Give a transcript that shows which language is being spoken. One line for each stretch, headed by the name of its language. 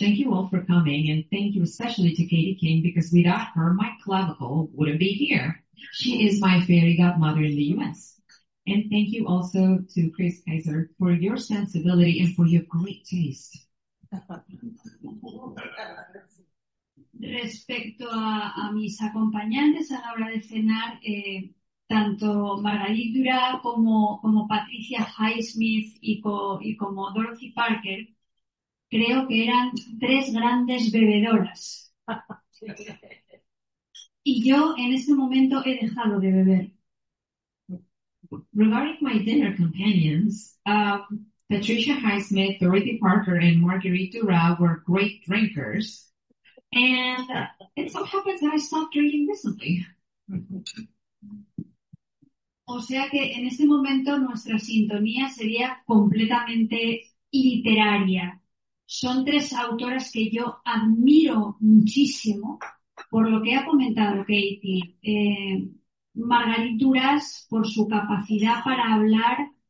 English: Thank you all for coming, and thank you especially to Katie King, because without her, my clavicle wouldn't be here. She is my fairy godmother in the U.S. And thank you also to Chris Kaiser for your sensibility and for your great taste.
Spanish: Respecto a mis acompañantes a la hora de cenar, tanto Margarita Dura como Patricia Highsmith y como Dorothy Parker, creo que eran tres grandes bebedoras. Y yo en ese momento he dejado de beber.
English: Regarding my dinner companions, Patricia Highsmith, Dorothy Parker, and Marguerite Duras were great drinkers. And it so happens that I stopped drinking recently.
Spanish: O sea que en ese momento nuestra sintonía sería completamente literaria. Son tres autoras que yo admiro muchísimo por lo que ha comentado Katie. Margarita Duras, por su capacidad para hablar